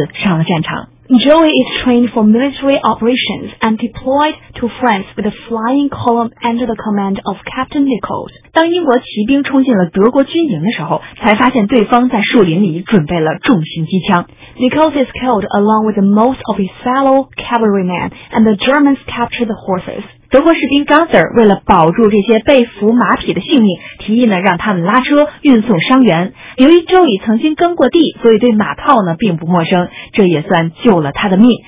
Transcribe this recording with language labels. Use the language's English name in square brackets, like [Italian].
[English] Joey is trained for military operations and deployed to France with a flying column under the command of Captain Nichols. [Chinese] 当英国骑兵冲进了德国军营的时候，才发现对方在树林里准备了重型机枪。 [English] Nichols is killed along with most of his fellow cavalrymen, and the Germans capture the horses. [Chinese] 德国士兵 Gunther 为了保住这些被俘马匹的性命，提议呢让他们拉车运送伤员。由于 Joey 曾经耕过地，所以对马炮呢并不陌生，这也算救了他的命。